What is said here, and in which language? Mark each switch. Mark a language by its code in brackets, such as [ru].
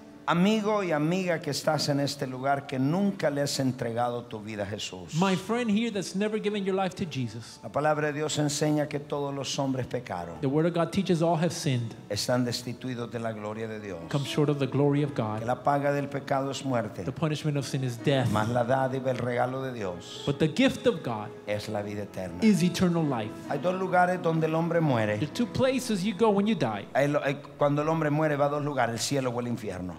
[es] Amigo y amiga que estás en este lugar que nunca le has entregado tu vida a Jesús. [en] My friend here that's never given your life to Jesus. [es] La palabra de Dios enseña que todos los hombres pecaron. [en] The word of God teaches all have sinned. [es] Están destituidos de la gloria de Dios. [en] Come short of the glory of God. [es] Que la paga del pecado es muerte. [en] The punishment of sin is death. [es] Mas la dádiva, el regalo de Dios. [en] But the gift of God [es] es la vida eterna. [en] Is eternal life. [es] Hay dos lugares donde el hombre muere. [en] There are two places you go when you die. [es] Cuando el hombre muere va a dos lugares, el cielo o el infierno.